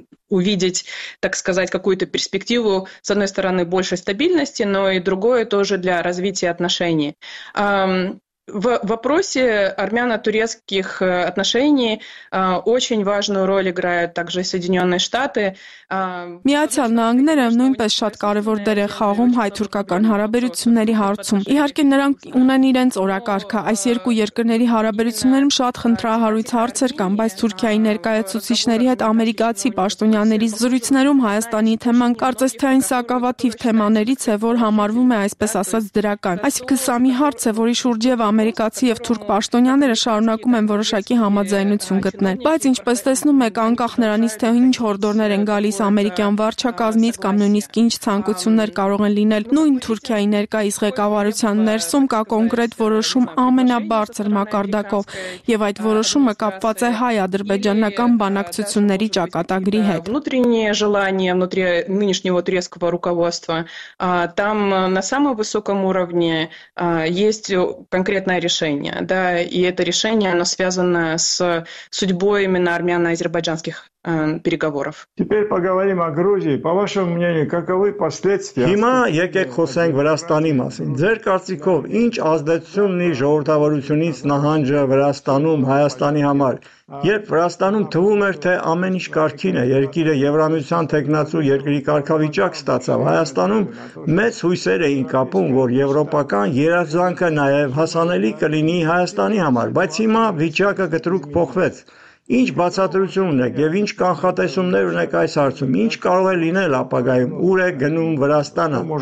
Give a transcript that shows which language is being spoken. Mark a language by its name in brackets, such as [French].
[Russian] Увидеть, так сказать, какую-то перспективу, с одной стороны, большей стабильности, но и другое тоже для развития отношений. В вопросе армяно-турецких отношений очень важную роль играют также Соединенные Штаты. [Armenian] Միացյալ Նահանգները նույնպես շատ կարևոր դեր է խաղում հայ-թուրքական հարաբերությունների հարցում։ Իհարկե նրանք ունեն իրենց օրակարգը, այս երկու երկրների հարաբերություններում շատ խնդրահարույց հարցեր կան, բայց Թուրքիայի ներկայացուցիչների հետ ամերիկացի պաշտոնյաների զրույցներում Հայաստանի թեման կարծես թե այն սակավաթիվ թեմաներից է, որ համարվում է այսպես ասած դրական։ Այսինքն սա մի հարց է, որի շուրջև ամերիկացի և թուրք պաշտոնյաները շարունակում են որոշակի համաձայնություն գտնել։ Բայց ինչպես տեսնում եք, անկախ նրանից, թե ինչ հորդորներ են գալիս ամերիկյան վարչակազմից կամ նույնիսկ ինչ ցանկություններ կարող են լինել նույն Թուրքիայի ներկայիս ղեկավարության ներսում, կա կոնկրետ որոշում ամենաբարձր մակարդակով, և այդ որոշումը կապված է հայ-ադրբեջանական բանակցությունների ճակատագրի հետ։ [Russian] Внутреннее желание внутри нынешнего турецкого руководства, там на самом высоком уровне есть конкретное решение, да, и это решение, оно связано с судьбой именно армяно-азербайджанских переговоров. Теперь поговорим о Грузии. По вашему мнению, каковы последствия? [Armenian] Հիմա եկեք խոսենք Վրաստանի մասին. Ձեր կարծիքով ինչ ազդեցություն ունի ժողովրդավարությունից նահանջը Վրաստանում Հայաստանի համար? Երբ Վրաստանում թվում էր, թե ամեն ինչ կարգին է, երկիրը Եվրամիության թեկնածու երկրի կարգավիճակ ստացավ, Հայաստանում մեծ հույսեր էին կապում, որ եվրոպական երազանքը նաև հասանելի կլինի Հայաստանի համար, բայց հիմա վիճակը կտրուկ փոխվեց։ Ինչ բացատրություն ունեք և ինչ կանխատեսումներ ունեք այս հարցում, ինչ կարող է լինել ապագայում, ուր է գնում Վրաստանը։